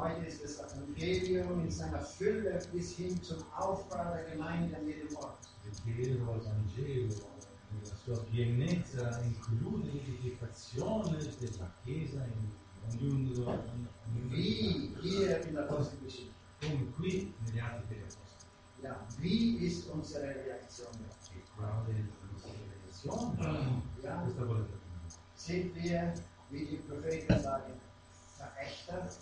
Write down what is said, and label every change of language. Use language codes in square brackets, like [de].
[de] Heute ist es das Evangelium in seiner Fülle bis hin zum Aufbau der Gemeinde an jedem Ort. [it] L'Evangelio nella sua pienezza include l'edificazione della Chiesa in ogni luogo. [de] Wie hier in der Apostelgeschichte. [it] Come qui negli Atti degli Apostoli. [de] Ja, wie ist unsere Reaktion? [it] E qual è la nostra reazione? [de] Ja. [it] Questa volta. [de] Sind wir, wie die Propheten sagen, Verächter?